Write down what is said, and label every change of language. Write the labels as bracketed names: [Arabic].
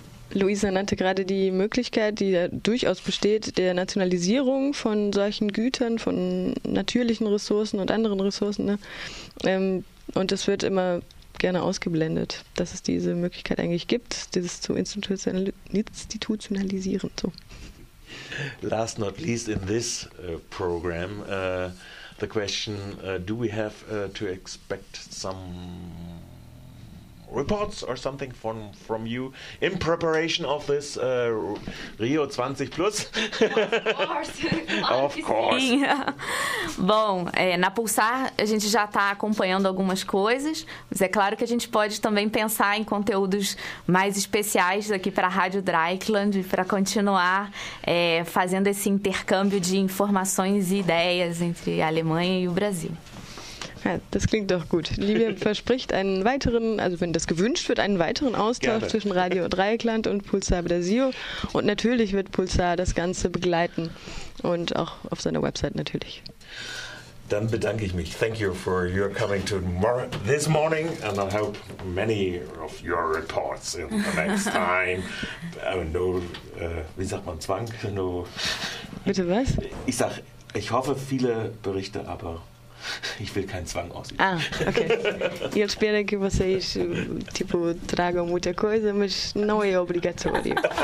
[German] Luisa nannte gerade die Möglichkeit, die ja durchaus besteht, der Nationalisierung von solchen Gütern, von natürlichen Ressourcen und anderen Ressourcen, ne? Und das wird immer gerne ausgeblendet, dass es diese Möglichkeit eigentlich gibt, dieses zu institutionalisieren. So. [English] Last not least in this program, the question, do we have to expect some reports or something from you in preparation of this Rio 20 Plus? Of course. Of course. [Portuguese] Bom, na Pulsar a gente já está acompanhando algumas coisas, mas é claro que a gente pode também pensar em conteúdos mais especiais aqui para a Rádio Dreikland, para continuar fazendo esse intercâmbio de informações e ideias entre a Alemanha e o Brasil. [German] Ja, das klingt doch gut. Livia verspricht einen weiteren, also wenn das gewünscht wird, einen weiteren Austausch gerne zwischen Radio Dreieckland und Pulsar Brasil. Und natürlich wird Pulsar das Ganze begleiten und auch auf seiner Website natürlich. Dann bedanke ich mich. [English] Thank you for your coming to this morning and I hope many of your reports in the next time. [German] No, wie sagt man, Zwang? No. Bitte was? Ich hoffe viele Berichte, aber ich will keinen Zwang ausüben. Ah, okay. [Portuguese] Eu espero que vocês tipo tragam muita coisa, mas não é obrigatório.